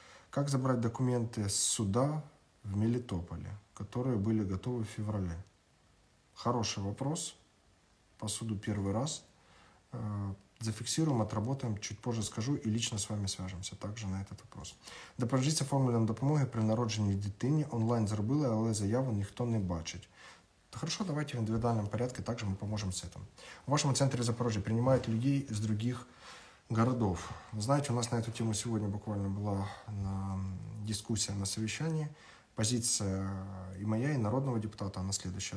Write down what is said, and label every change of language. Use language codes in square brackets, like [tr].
[ru] Как забрать документы с суда в Мелитополе, которые были готовы в феврале? Хороший вопрос. По суду первый раз. Зафиксируем, отработаем, чуть позже скажу и лично с вами свяжемся также на этот вопрос. [uk] Допоможіть оформленням допомоги при народженні дитини. Онлайн зробили, але заяву ніхто не бачить. [ru] Хорошо, давайте в индивидуальном порядке, также мы поможем с этим. В вашем центре Запорожья принимают людей из других городов. Знаете, у нас на эту тему сегодня буквально была дискуссия на совещании. Позиция и моя, и народного депутата, она следующая.